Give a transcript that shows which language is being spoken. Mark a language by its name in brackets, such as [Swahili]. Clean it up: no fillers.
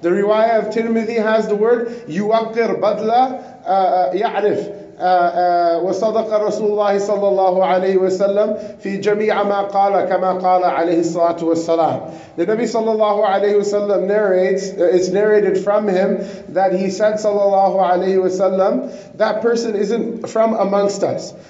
[English] The riwayah of Tirmidhi has the word [Arabic] يُوَقِّرْ بَدْلَ يَعْرِفْ, وصدق رسول الله صلى الله عليه وسلم في جميع ما قال كما قال عليه الصلاة والسلام. [English] The Nabi [Arabic] صلى الله عليه وسلم [English] narrates, it's narrated from him that he said صلى الله عليه وسلم, that person isn't from amongst us.